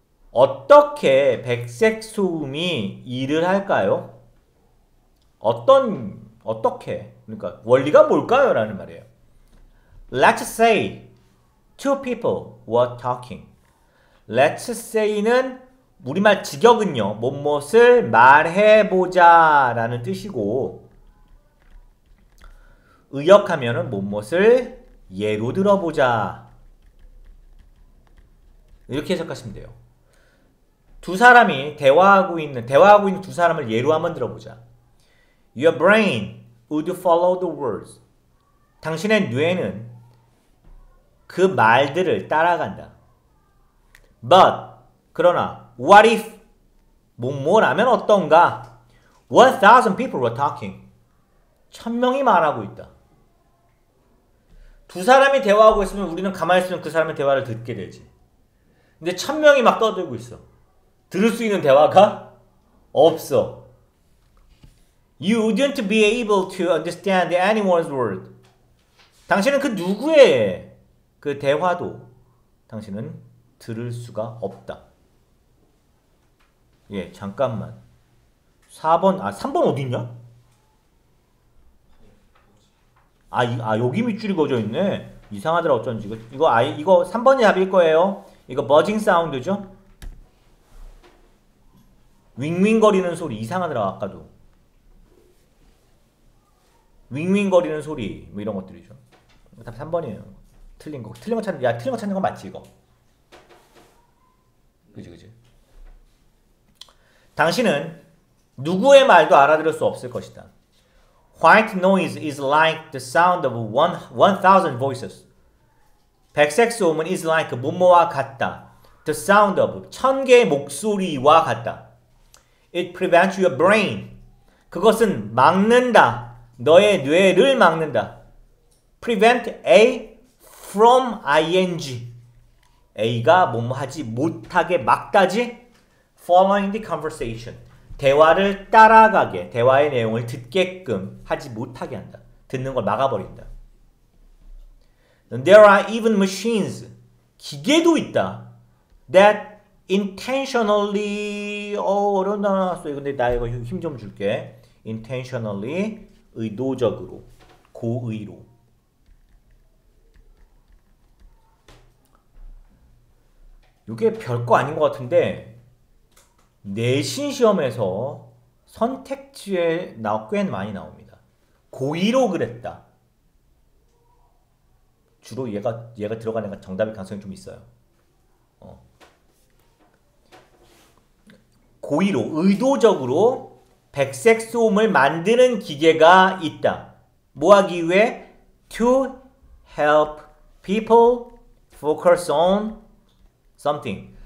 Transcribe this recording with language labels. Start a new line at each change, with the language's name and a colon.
Korean: 어떻게 백색 소음이 일을 할까요? 어떻게? 그러니까 원리가 뭘까요? 라는 말이에요.
English: Let's say two people were talking. Let's say
Korean: 는 우리말 직역은요, 뭇뭇을 말해보자 라는 뜻이고, 의역하면은 뭇뭇을 예로 들어보자. 이렇게 해석하시면 돼요. 두 사람이 대화하고 있는 두 사람을 예로 한번 들어보자.
English: Your brain would follow the words.
Korean: 당신의 뇌는 그 말들을 따라간다.
English: But,
Korean: 그러나,
English: what if?
Korean: 뭐라면 어떤가?
English: 1,000 people were talking.
Korean: 1,000명이 말하고 있다. 두 사람이 대화하고 있으면 우리는 가만히 있으면 그 사람의 대화를 듣게 되지. 근데 1,000명이 막 떠들고 있어. 들을 수 있는 대화가 없어.
English: You wouldn't be able to understand anyone's word.
Korean: 당신은 그 누구의 그 대화도 당신은 들을 수가 없다. 예, 잠깐만. 4번, 아, 3번 어딨냐? 아, 이, 아, 여기 밑줄이 거져 있네. 이상하더라, 어쩐지. 이거 3번이 답일 거예요. 이거 버징 사운드죠? 윙윙거리는 소리. 이상하더라, 아까도. 윙윙거리는 소리. 뭐 이런 것들이죠. 답 3번이에요. 틀린 거. 틀린 거 찾는, 야, 틀린 거 찾는 거 맞지, 이거? 그지, 그지. 당신은 누구의 말도 알아들을 수 없을 것이다.
English: White noise is like the sound of 1,000 voices.
Korean: 백색 소음은
English: is like
Korean: 뭐뭐와 같다.
English: The sound of
Korean: 천 개의 목소리와 같다.
English: It prevents your brain.
Korean: 그것은 막는다. 너의 뇌를 막는다.
English: Prevent A from ing.
Korean: A가 뭐뭐하지 못하게 막다지.
English: Following the conversation.
Korean: 대화를 따라가게, 대화의 내용을 듣게끔 하지 못하게 한다. 듣는 걸 막아버린다.
English: There are even machines,
Korean: 기계도 있다.
English: That intentionally,
Korean: 어려운 단어 나왔어. 근데 나 이거 힘 좀 줄게. Intentionally, 의도적으로, 고의로. 이게 별거 아닌 것 같은데 내신 시험에서 선택지에 꽤 많이 나옵니다. 고의로 그랬다. 주로 얘가 들어가는 건 정답일 가능성이 좀 있어요. 고의로, 의도적으로 백색 소음을 만드는 기계가 있다. 뭐 하기 위해?
English: To help people focus on something.